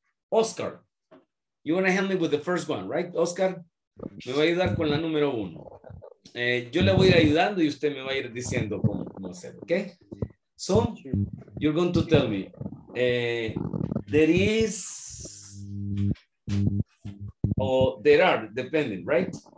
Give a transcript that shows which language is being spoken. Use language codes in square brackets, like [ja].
[en] Oscar, you want to help me with the first one, right? [es] Oscar, me va a ayudar con la número uno. Yo le voy a ir ayudando y usted me va a ir diciendo cómo hacer, okay? [en] So, you're going to tell me, there are, depending, right?